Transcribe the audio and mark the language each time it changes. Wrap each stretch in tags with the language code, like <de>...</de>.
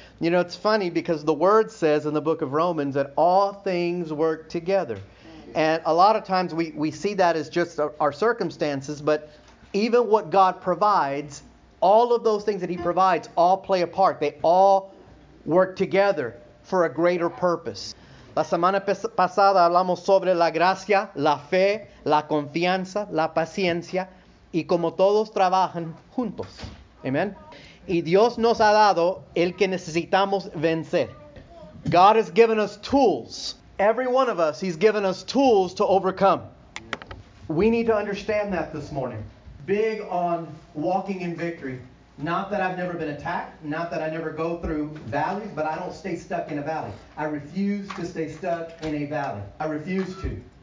<en>You know, it's funny because the Word says in the book of Romans that all things work together. And a lot of times we see that as just our circumstances, but even what God provides, all of those things that He provides all play a part. They all work together for a greater purpose.</en> <es>La semana pasada hablamos sobre la gracia, la fe, la confianza, la paciencia, y como todos trabajan juntos. Amen. Y Dios nos ha dado el que necesitamos vencer.</es> <en>God has given us tools. Every one of us, He's given us tools to overcome. We need to understand that this morning. Big on walking in victory. Not that I've never been attacked, not that I never go through valleys, but I don't stay stuck in a valley. I refuse to stay stuck in a valley. I refuse to.</en>